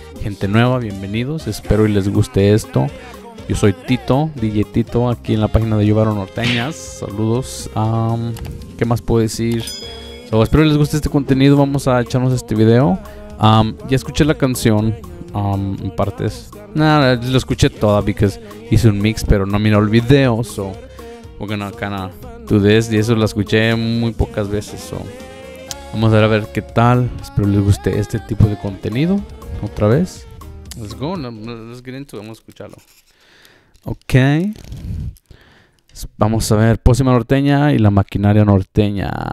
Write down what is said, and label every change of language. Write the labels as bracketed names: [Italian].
[Spanish] Gente nueva, bienvenidos. Espero y les guste esto. Yo soy Tito, DJ Tito, aquí en la página de Yovaro Norteñas. Saludos. ¿Qué más puedo decir? So, espero les guste este contenido. Vamos a echarnos este video. Ya escuché la canción en partes. Nada, lo escuché toda porque hice un mix, pero no miró el video. [English] So, we're gonna kinda do this. [Spanish] Y eso la escuché muy pocas veces. So, vamos a ver qué tal. Espero les guste este tipo de contenido. Otra vez. [English] Let's go. Let's get into it. [Spanish] Vamos a escucharlo. Ok, vamos a ver Pócima Norteña y La Maquinaria Norteña.